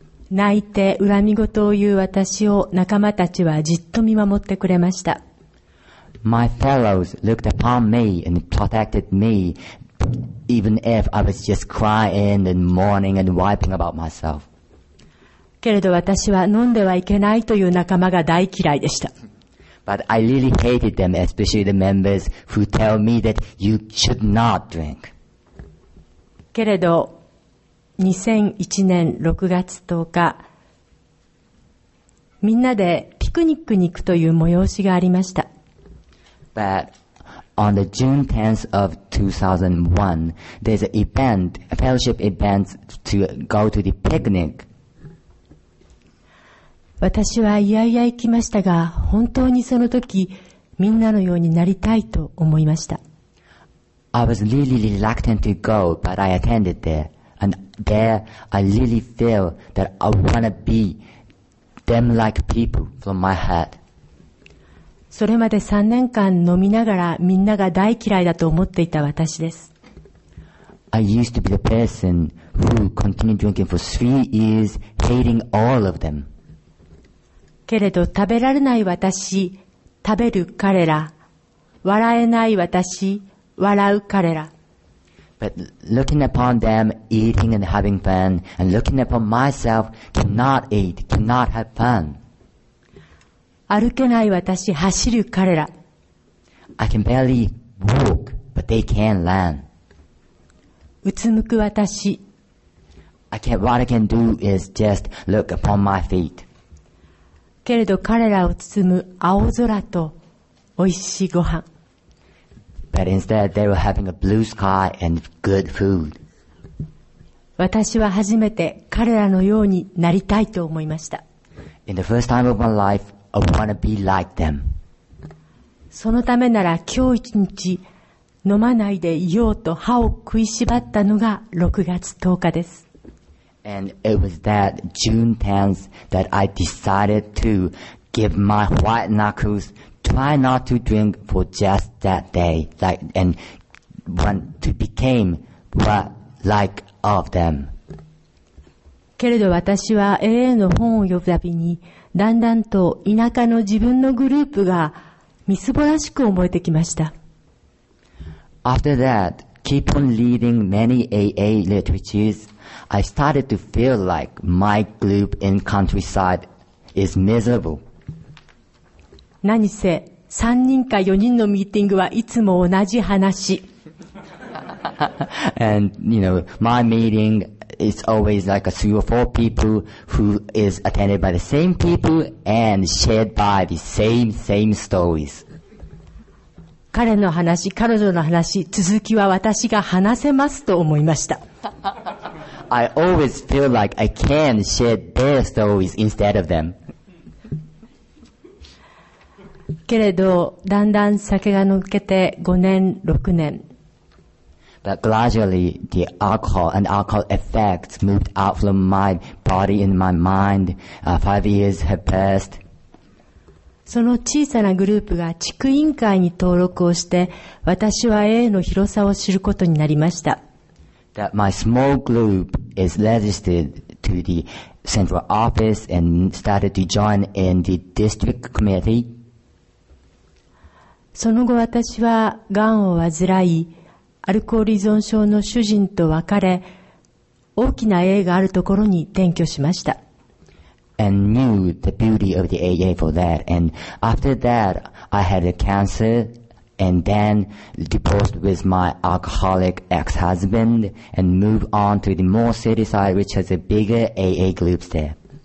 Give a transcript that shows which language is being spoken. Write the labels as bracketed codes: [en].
[ja] 泣いて恨み事を言う私を仲間たちはじっと見守ってくれました。 [en] My fellows looked upon me and protected me, even if I was just crying and mourning and wiping about myself. [ja] けれど私は飲んではいけないという仲間が大嫌いでした。 [en] But I really hated them, especially the members who tell me that you should not drink. [ja] けれど2001年6月10日、みんなでピクニックに行くという催しがありました。 [en] But on the June 10th of 2001, there's an event, a fellowship event to go to the picnic. [ja] 私はいやいや行きましたが、本当にその時、みんなのようになりたいと思いました。 [en] I was really reluctant to go, but I attended there. And there, I really feel that I want to be them-like people from my heart. [ja] それまで3年間飲みながらみんなが大嫌いだと思っていた私です。 [en] I used to be the person who continued drinking for 3 years, hating all of them. [ja] けれど食べられない私、食べる彼ら、笑えない私、笑う彼ら。 [en] But looking upon them eating and having fun, and looking upon myself, cannot eat, cannot have fun. [ja] 歩けない私、走る彼ら。 [en] I can barely walk, but they can run. [ja] うつむく私。 [en] What I can do is just look upon my feet. [ja] けれど彼らを包む青空と美味しいご飯。 [en] But instead, they were having a blue sky and good food. [ja] 私は初めて彼らのようになりたいと思いました。 [en] In the first time of my life, I want to be like them. [ja] そのためなら今日一日飲まないでいようと歯を食いしばったのが6月10日です。 [en] And it was that June 10th that I decided to give my white knuckles. Try not to drink for just that day, like, and want to become what like of them. [ja] けれど私は AA の本を読むたびに、だんだんと田舎の自分のグループがみすぼらしく思えてきました。 [en] After that, keep on reading many AA literatures, I started to feel like my group in countryside is miserable. [ja] 何せ、三人か四人のミーティングはいつも同じ話。 [en] And, you know, my meeting is always like a three or four people who is attended by the same people and shared by the same, same stories. [ja] 彼の話、彼女の話、続きは私が話せますと思いました。 [en] I always feel like I can share their stories instead of them. [ja] けれど、だんだん酒が抜けて5年、6年。 [en] But gradually, the alcohol and alcohol effects moved out from my body and my mind. 5 years have passed. [ja] その小さなグループが地区委員会に登録をして、私は A の広さを知ることになりました。 [en] That my small group is registered to the central office and started to join in the district committee. [ja] その後私は癌を患い、アルコール依存症の主人と別れ、大きな A があるところに転居しました。 [en] And knew the beauty of the AA for that. And after that, I had a cancer and then divorced with my alcoholic ex-husband and moved on to the more city side, which has a bigger AA groups there.